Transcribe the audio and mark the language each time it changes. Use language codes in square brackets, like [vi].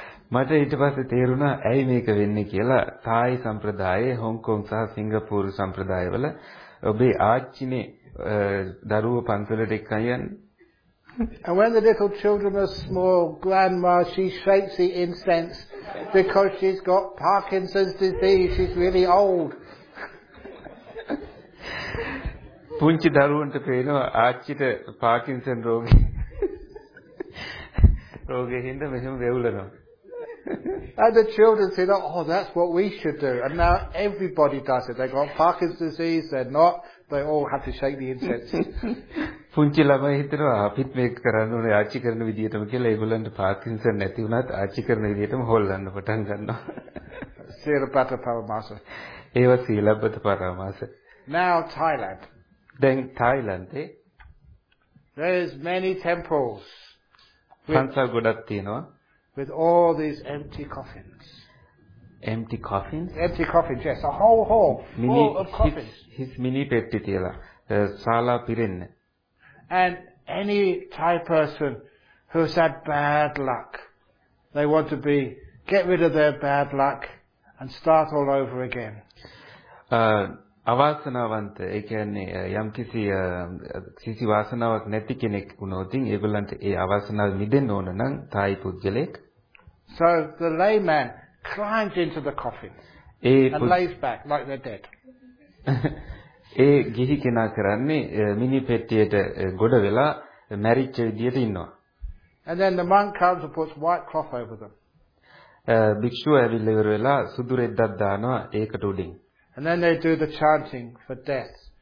[si] මට ඊට පස්සේ තේරුණා ඇයි මේක වෙන්නේ කියලා. තායි සම්ප්‍රදායේ, හොං කොං සහ සිංගප්පූරු සම්ප්‍රදායවල ඔබේ ආච්චිනේ දරුවෝ පන්සලට එක්ක යන්නේ. [en] And when the little children are small, grandma, she shakes the incense because she's got Parkinson's disease, she's really old. [si] පුංචි දරුවන්ට පේනවා ආච්චිට පාකින්සන් රෝගේ හින්දා මෙහෙම වැවුලනවා. [en] And the children say, oh, that's what we should do. And now everybody does it. They've got Parkinson's disease, they're not. They all have to shake the incense. [si] පුංචි ළමයි හිතනවා අපිත් මේක කරන්න ඕනේ ආචි කරන විදියටම කියලා. ඒගොල්ලන්ට පාකින්සන් නැති වුණත් ආචි කරන විදියටම හොල්ලන්න පටන් ගන්නවා. සීලබ්බත පරමාස. ඒව සීලබ්බත පරමාස. [en] Now Thailand. Then Thailand. There's many temples. [si] පන්සල් ගොඩක් තියෙනවා. [en] With all these empty coffins. Empty coffins? Empty coffins, yes. A whole hall mini, full of coffins. [si] His mini petti tiyala. Sala pirenne. [en] And any Thai person who's had bad luck, they want to get rid of their bad luck and start all over again. [si] අවාසනාවන්ත, ඒ කියන්නේ යම්කිසි කිසි වාසනාවක් නැති කෙනෙක් වුණොත් ඒගොල්ලන්ට ඒ අවාසනාව මිදෙන්න ඕන නම් තායි පුද්ගලෙක්. [en] So the layman climbs into the coffin and lays back like they're dead. [si] ඒ ගිහි කෙනා කරන්නේ මිනි පෙට්ටියට ගොඩ වෙලා මැරිච්ච විදියට ඉන්නවා. [en] And then the monk comes and puts white cloth over them. [si] භික්ෂුව ඇවිල්ලා ඉවර වෙලා සුදු රෙද්දක් දානවා ඒකට උඩින්. [en] And then they do the chanting for death.